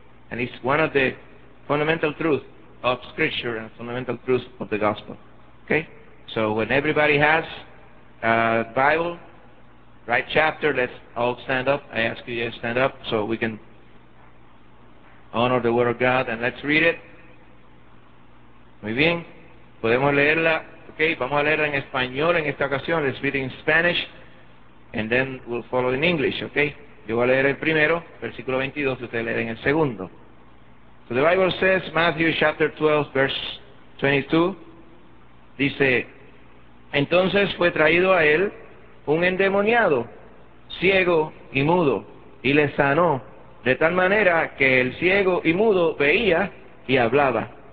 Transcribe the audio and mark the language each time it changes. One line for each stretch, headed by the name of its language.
English: And it's one of the fundamental truths of Scripture and fundamental truths of the Gospel. Okay? So when everybody has a Bible, right chapter, let's all stand up. I ask you to stand up so we can honor the Word of God, and let's read it.
Spanish: Muy bien. Podemos leerla. Okay, vamos a leerla en español en esta ocasión.
English: Let's read it in Spanish, and then we'll follow in English, okay?
Spanish: Yo voy a leer el primero, versículo 22, ustedes leen el segundo.
English: So the Bible says, Matthew chapter 12, verse 22,
Spanish: dice, entonces fue traído a él un endemoniado, ciego y mudo, y le sanó, de tal manera que el ciego y mudo veía y hablaba.